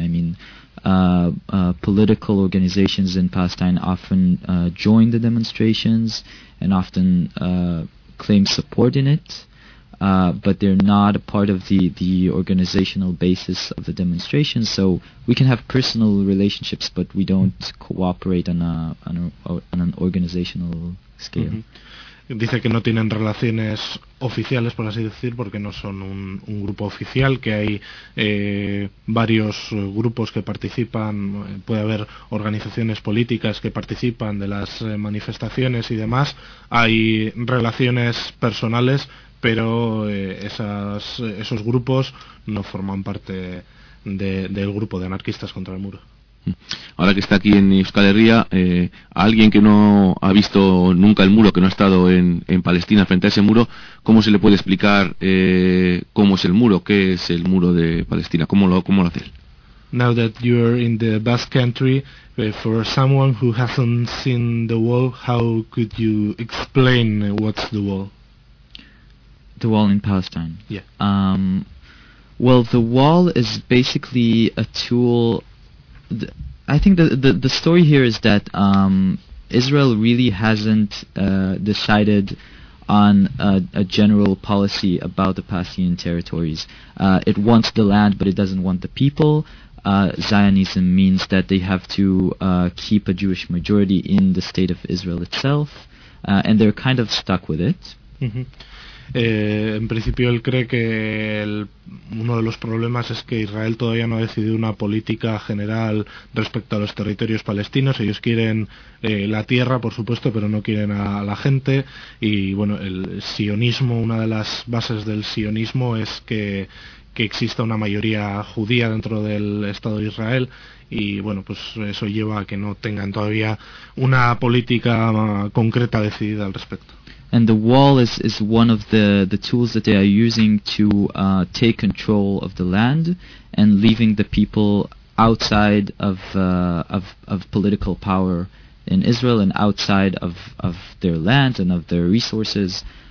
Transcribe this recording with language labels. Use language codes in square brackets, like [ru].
[en] I mean, political organizations in Palestine often join the demonstrations and often claim support in it, but they're not a part of the organizational basis of the demonstrations. So we can have personal relationships, but we don't cooperate on an organizational scale. Mm-hmm. [es] Dice que no tienen relaciones oficiales, por así decir, porque no son un grupo oficial, que hay varios grupos que participan, puede haber organizaciones políticas que participan de las manifestaciones y demás. Hay relaciones personales, pero esos grupos no forman parte del grupo de Anarquistas contra el Muro. Ahora que está aquí en Euskal Herria, alguien que no ha visto nunca el muro, que no ha estado en Palestina frente a ese muro, ¿cómo se le puede explicar cómo es el muro, qué es el muro de Palestina, cómo lo hace él? [en] Now that you are in the Basque Country, for someone who hasn't seen the wall, how could you explain what's the wall? The wall in Palestine. Yeah. Well, the wall is basically a tool. I think the story here is that Israel really hasn't decided on a general policy about the Palestinian territories. It wants the land, but it doesn't want the people. Zionism means that they have to keep a Jewish majority in the state of Israel itself, and they're kind of stuck with it. Mm-hmm. [es] En principio él cree que uno de los problemas es que Israel todavía no ha decidido una política general respecto a los territorios palestinos. Ellos quieren la tierra, por supuesto, pero no quieren a la gente. Y bueno, el sionismo, una de las bases del sionismo es que exista una mayoría judía dentro del Estado de Israel. Y bueno, pues eso lleva a que no tengan todavía una política concreta decidida al respecto. [en] And the wall is one of the tools that they are using to take control of the land and leaving the people outside of political power in Israel and outside of their land and of their resources.